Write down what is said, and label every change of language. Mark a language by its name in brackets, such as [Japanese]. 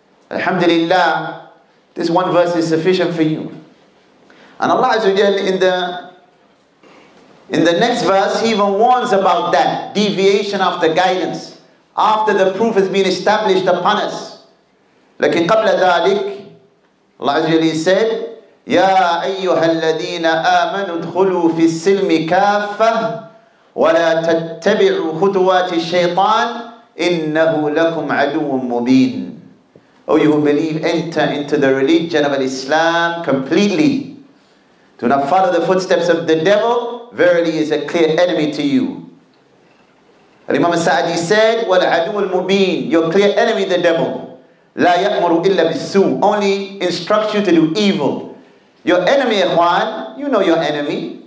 [English] Alhamdulillah, this one verse is sufficient for you. And Allah Azza wa Jalla in the next verse, he even warns about that deviation of the guidance after the proof has been established upon us. [Arabic] لكن قبل ذلك, [English] Allah Azza wa Jalla said, [Arabic] يَا أَيُّهَا الَّذِينَ آمَنُوا ادْخُلُوا فِي السِّلْمِ كَافَّةً وَلَا تَتَّبِعُوا خُطُوَاتِ الشَّيْطَانِ إِنَّهُ لَكُمْ عَدُوٌ مُّبِينٌ. [English] O you who believe, enter into the religion of Islam completely. Do not follow the footsteps of the devil. Verily, he is a clear enemy to you. And Imam Sa'adi said, [Arabic] وَالْعَدُوُ الْمُبِينُ. [English] Your clear enemy, the devil. [Arabic] لَا يَأْمُرُ إِلَّا بِالسُّوءٍ. [English] Only instructs you to do evil. Your enemy, Ikhwan, you know your enemy.